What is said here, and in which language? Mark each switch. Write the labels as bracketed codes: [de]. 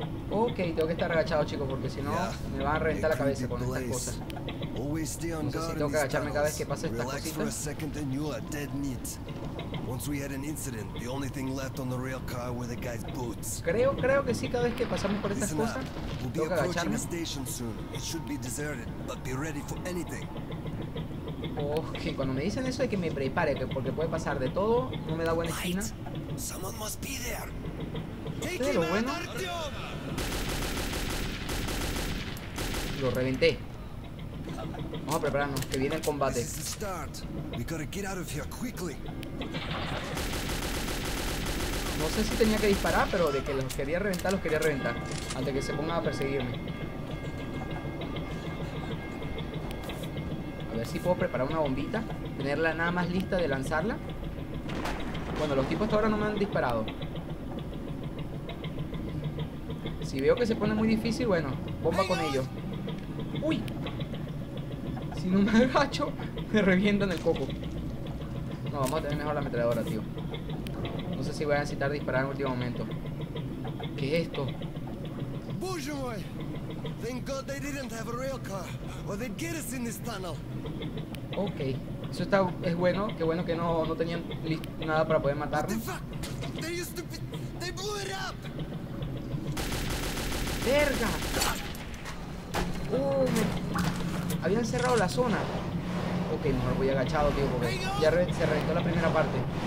[es] Ok, tengo que estar agachado, chicos, porque si no me van a reventar la cabeza con estas cosas. [en] Always stay on guard. [es] No sé si tengo que agacharme cada vez que pase estas cositas. [en] Relax for a second and you are dead meat. Once we had an incident, the only thing left on the rail car were the guy's boots. [es] Creo que sí, cada vez que pasamos por estas cosas, [en] we'll be approaching the station soon. It should be deserted, but be ready for anything. [es] Ok, cuando me dicen eso de que me prepare, porque puede pasar de todo, no me da buena esquina. [en] Someone must be there. [es] Pero bueno, lo reventé. Vamos a prepararnos, que viene el combate. [en] This is the start. We gotta get out of here quickly. [es] No sé si tenía que disparar, pero de que los quería reventar antes que se pongan a perseguirme. A ver si puedo preparar una bombita, tenerla nada más lista de lanzarla. Bueno, los tipos hasta ahora no me han disparado. Si veo que se pone muy difícil, bueno, bomba con ellos. ¡Uy! Si no me agacho, me reviento en el coco. No, vamos a tener mejor la ametralladora, tío. No sé si voy a necesitar disparar en el último momento. ¿Qué es esto? ¡Bujoy! [en] Thank God they didn't have a real car, or they'd get us in this tunnel. [es] Ok, eso está, es bueno. Qué bueno que no tenían nada para poder matarnos. [en] ¡They blew it up! [es] ¡Verga! ¡Oh, me... habían cerrado la zona! Ok, mejor voy agachado, tío, porque ya se reventó la primera parte.